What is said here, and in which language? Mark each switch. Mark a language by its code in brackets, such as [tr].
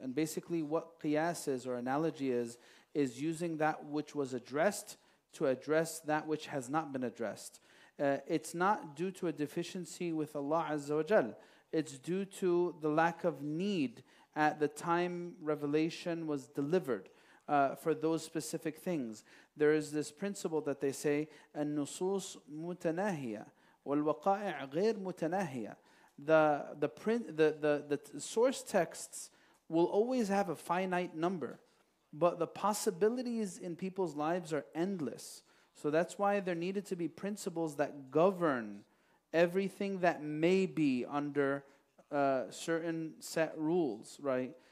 [en] And basically what qiyas is, or analogy is using that which was addressed to address that which has not been addressed. It's not due to a deficiency with Allah Azza wa Jal. It's due to the lack of need at the time revelation was delivered for those specific things. There is this principle that they say, [ar] النصوص متناهية والوقائع غير متناهية. [en] The source texts will always have a finite number, but the possibilities in people's lives are endless. So that's why there needed to be principles that govern everything that may be under certain set rules, right?